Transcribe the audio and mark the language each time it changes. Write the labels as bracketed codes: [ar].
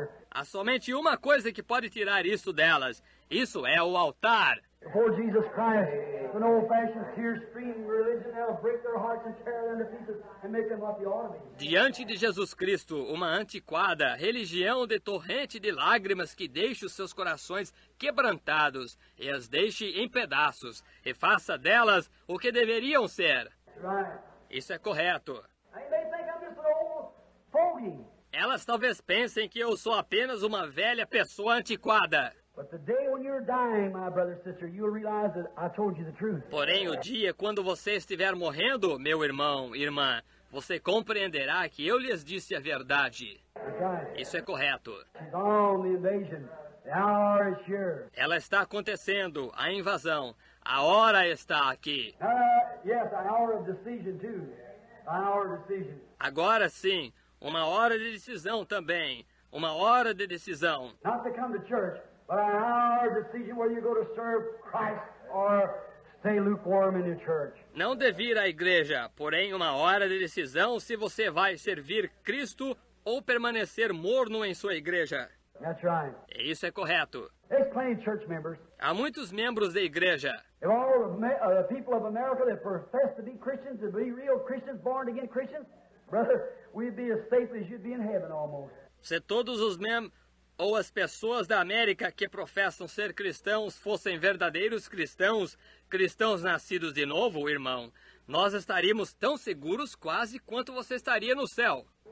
[pt] Há somente uma coisa que pode tirar isso delas. Isso é o altar. [en] Before Jesus Christ, an old-fashioned, tear-streaming religion that'll break their hearts and tear them to pieces and make them like the army. [pt] Diante de Jesus Cristo, uma antiquada religião de torrente de lágrimas que deixe os seus corações quebrantados e as deixe em pedaços e faça delas o que deveriam ser. [en] Right. [pt] Isso é correto. [en] And they think I'm just an old fogey. [pt] Elas talvez pensem que eu sou apenas uma velha pessoa antiquada. [en] But the day when you're dying, my brother, sister, you'll realize that I told you the truth. [pt] Porém, o dia quando você estiver morrendo, meu irmão, irmã, você compreenderá que eu lhes disse a verdade. [en] Right. [pt] Isso é correto. [en] She's on the invasion. The hour is here. [pt] Ela está acontecendo, a invasão. A hora está aqui. [en] Yes, a hour of decision too. A hour of decision. [pt] Agora sim, uma hora de decisão também. Uma hora de decisão. [en] Not to come to church, but an hour of decision where you go to serve Christ or stay lukewarm in your church. [pt] Não de vir à igreja, porém uma hora de decisão se você vai servir Cristo ou permanecer morno em sua igreja. [en] That's right. [pt] E isso é correto. [en] There's plenty of church members. [pt] Há muitos membros da igreja. [en] If all the people of America that profess to be Christians, to be real Christians, born again Christians, brother, we'd be as safe as you'd be in heaven almost. [pt] Se todos os membros ou as pessoas da América que professam ser cristãos fossem verdadeiros cristãos, cristãos nascidos de novo, irmão, nós estaríamos tão seguros quase quanto você estaria no céu.